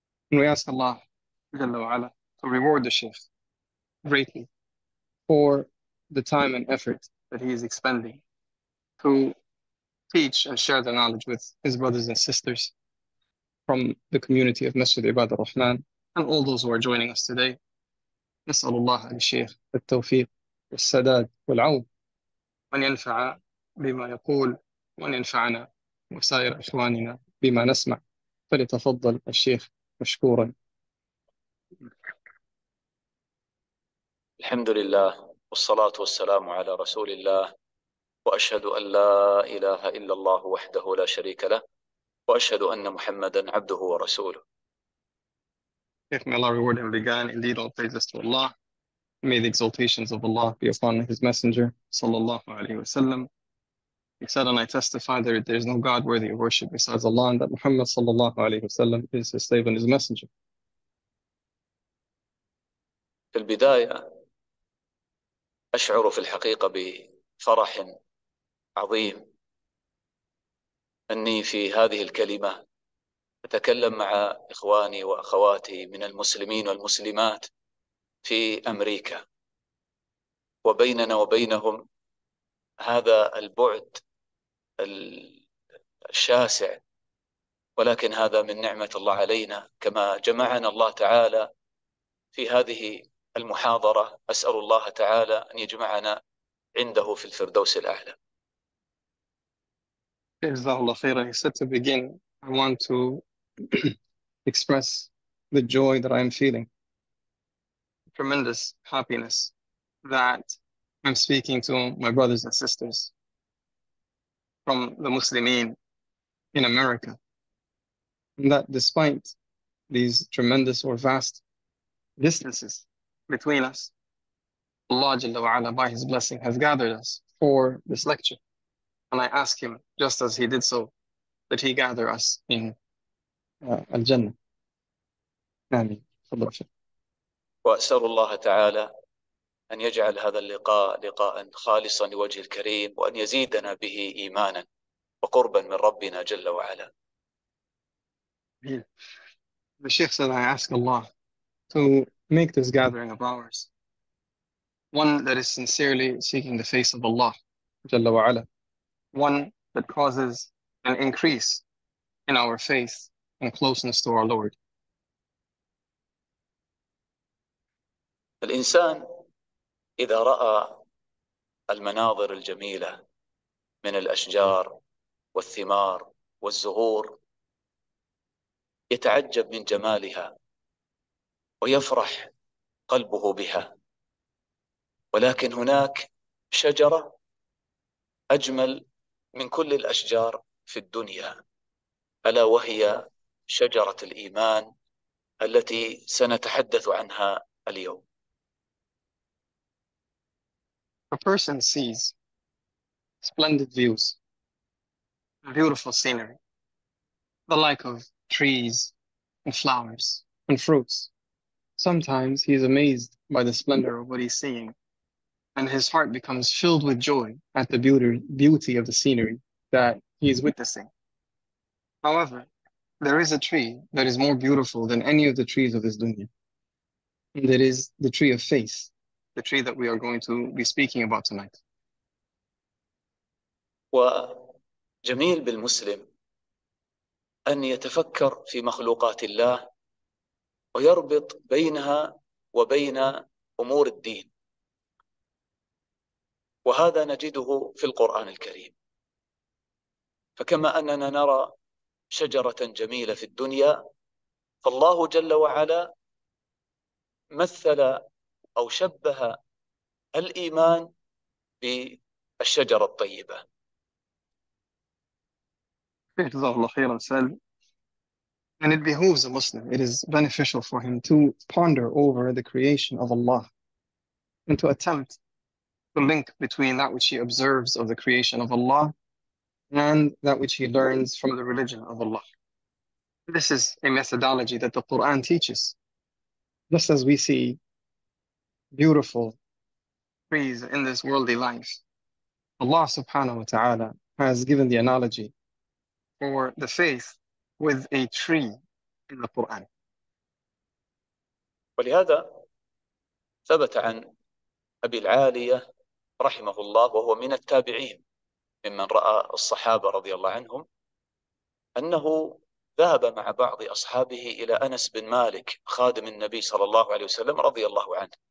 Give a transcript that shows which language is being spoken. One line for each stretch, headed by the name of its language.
English: And we ask Allah Jalla wa Ala to reward the Shaykh greatly for the time and effort that he is expending to teach and share the knowledge with his brothers and sisters from the community of Masjid Ibad al-Rahman and all those who are joining us today.
Arabic: نسأل الله الشيخ التوفيق والسداد والعون وأن ينفع بما يقول وأن ينفعنا وسائر إخواننا بما نسمع. فليتفضل الشيخ مشكورا. الحمد لله والصلاة والسلام على رسول الله وأشهد أن لا إله إلا الله وحده لا شريك له وأشهد أن محمداً عبده ورسوله.
English: Shaykh, may Allah reward him again. Indeed, all praises to Allah. May the exaltations of Allah be upon His Messenger, sallallahu alayhi wa sallam. He said, and I testify that there is no God worthy of worship besides Allah, and that Muhammad, sallallahu alayhi wa sallam, is His slave and His Messenger.
Arabic: في البداية أشعر في الحقيقة بفرح عظيم أني في هذه الكلمة أتكلم مع إخواني وأخواتي من المسلمين والمسلمات في أمريكا، وبيننا وبينهم هذا البعد الشاسع، ولكن هذا من نعمة الله علينا كما جمعنا الله تعالى في هذه المحاضرة. أسأل الله تعالى أن يجمعنا عنده في الفردوس الأعلى. JazakAllah khairan.
English: He said, to begin, I want to express the joy that I am feeling, tremendous happiness that I'm speaking to my brothers and sisters from the Muslimin in America, and that despite these tremendous or vast distances between us, Allah Jalla wa Ala, by His blessing, has gathered us for this lecture. And I ask Him, just as He did so, that He gather us in Al-Jannah.
Arabic: Ameen. Fadlu wa shukr. وأسأل الله تعالى أن يجعل هذا اللقاء لقاء خالصا لوجه الكريم وأن يزيدنا به إيمانا وقربا من ربنا جل وعلا.
English: The Shaykh said, I ask Allah to make this gathering of ours one that is sincerely seeking the face of Allah
Arabic: جل وعلا.
English: One that causes an increase in our faith and closeness to our Lord.
Arabic: الإنسان إذا رأى المناظر الجميلة من الأشجار والثمار والزهور يتعجب من جمالها ويفرح قلبه بها، ولكن هناك شجرة أجمل من كل الأشجار في الدنيا، ألا وهي شجرة الإيمان التي سنتحدث عنها اليوم.
English: A person sees splendid views, beautiful scenery, the like of trees and flowers and fruits. Sometimes he is amazed by the splendor of what he's seeing, and his heart becomes filled with joy at the beauty of the scenery that he is witnessing. However, there is a tree that is more beautiful than any of the trees of this dunya. And it is the tree of faith, the tree that we are going to be speaking about tonight.
Arabic: وجميل بالمسلم أن يتفكر في مخلوقات الله ويربط بينها وبين أمور الدين، وهذا نجده في القرآن الكريم. فكما أننا نرى شجرة جميلة في الدنيا، فالله جل وعلا مثل أو شبه الإيمان بالشجرة الطيبة. جزاه الله خير. السؤال
English: and it behooves a Muslim, it is beneficial for him to ponder over the creation of Allah and to attempt to link between that which he observes of the creation of Allah and that which he learns from the religion of Allah. This is a methodology that the Quran teaches. Just as we see beautiful trees in this worldly life, Allah subhanahu wa ta'ala has given the analogy for the faith with a tree in the Quran.
Arabic: ولهذا ثبت عن أبي العالية رحمه الله وهو من التابعين ممن رأى الصحابة رضي الله عنهم أنه ذهب مع بعض أصحابه إلى أنس بن مالك خادم النبي صلى الله عليه وسلم رضي الله عنه،